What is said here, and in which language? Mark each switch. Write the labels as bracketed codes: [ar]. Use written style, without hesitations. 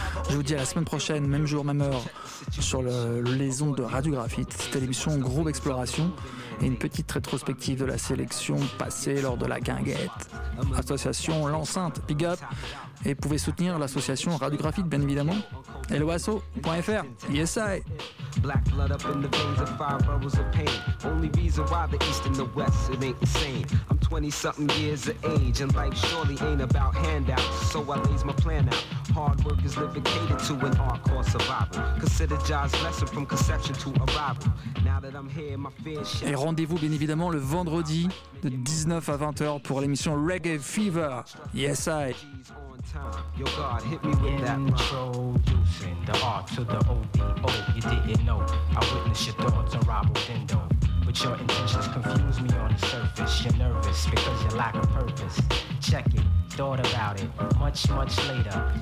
[fr] Je vous dis à la semaine prochaine, même jour, même heure, sur les ondes de Radio Graphite. C'était l'émission Groove Exploration et une petite rétrospective de la sélection passée lors de la guinguette. Association L'Enceinte, big up. Et vous pouvez soutenir l'association Radio Graphite, bien évidemment. Eloasso.fr, yes I. [en] Black blood up in the veins of five bubbles of pain. Only reason why the East and the West, it ain't the same. I'm 20-something years of age and life surely ain't about handouts. So I lays my plan out. Hard work is living catered to an art called survival. Consider Jah's lesson from conception to arrival. Now that I'm here, my fears shatter. [fr] Et rendez-vous bien évidemment le vendredi de 19 à 20h pour l'émission Reggae Fever, yes I. [en] Your God hit me with that introducing the R to the O-B-O. You didn't know I witnessed your thoughts on Robert Dindo. But your intentions confuse me on the surface. You're nervous because you lack a purpose. Check it, thought about it much, much later.